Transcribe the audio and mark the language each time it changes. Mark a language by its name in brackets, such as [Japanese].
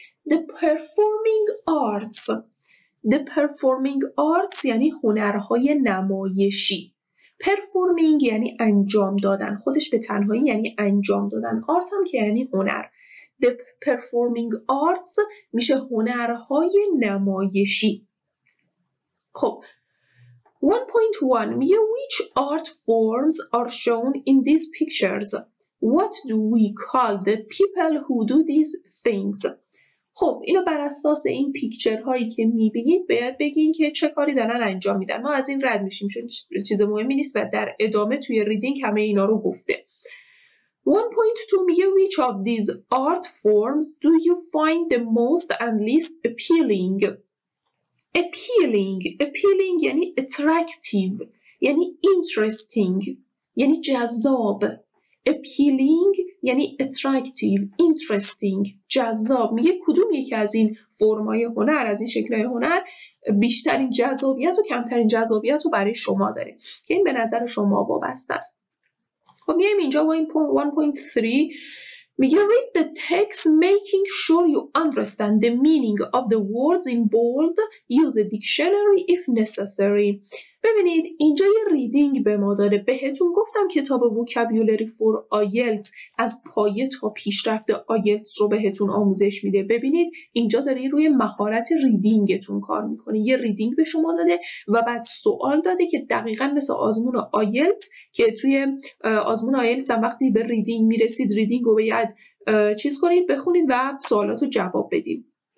[English] The Performing Arts. The Performing Arts [Persian] یعنی هنرهای نمایشی. پرفورمینگ یعنی انجام دادن، خودش به تنهایی یعنی انجام دادن. آرت هم که یعنی هنر. [English] The performing arts [Persian] میشه هنرهای نمایشی. خب 1.1 میگه [English] which art forms are shown in these pictures. What do we call the people who do these things. [Persian] خب اینو بر اساس این پیکچر هایی که میبینید باید بگین که چه کاری دارن انجام میدن. ما از این رد میشیم چون چیز مهمی نیست و در ادامه توی ریدینگ همه اینا رو گفته. [English] 1.2 میگه which of these art forms do you find the most and least appealing. [Persian] appealing یعنی attractive، یعنی interesting، یعنی جذاب. appealing یعنی attractive، interesting، جذاب. میگه کدوم یکی از این فرمای هنر، از این شکلهای هنر بیشترین جذابیت و کمترین جذابیت رو برای شما داره، که این به نظر شما وابسته است. خب میایم اینجا با این 1.3 [English] میگه read the text making sure you understand the meaning of the words in bold. Use a dictionary if necessary. [Persian] ببینید اینجا یه ریدینگ به ما داره. بهتون گفتم کتاب vocabulary for IELTS از پایه تا پیشرفت IELTS رو بهتون آموزش میده. ببینید اینجا داره روی مهارت ریدینگتون کار میکنه. یه ریدینگ به شما داده و بعد سوال داده که دقیقا مثل آزمون IELTS که توی آزمون IELTS هم وقتی به ریدینگ میرسید ریدینگ رو باید چیز کنید بخونید و سوالات رو جواب بدید.